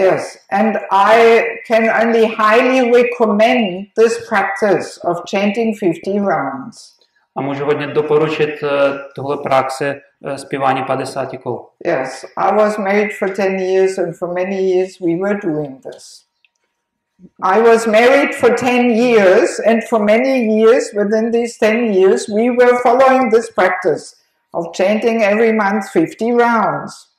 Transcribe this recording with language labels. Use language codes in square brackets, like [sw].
[en] Yes, and I can only highly recommend this practice of chanting 50 rounds. [cs] A můžu hodně doporučit tohle praxe zpívání 50 kol. [en] Yes, I was married for 10 years and for many years we were doing this. I was married for 10 years and for many years within these 10 years we were following this practice of chanting every month 50 rounds.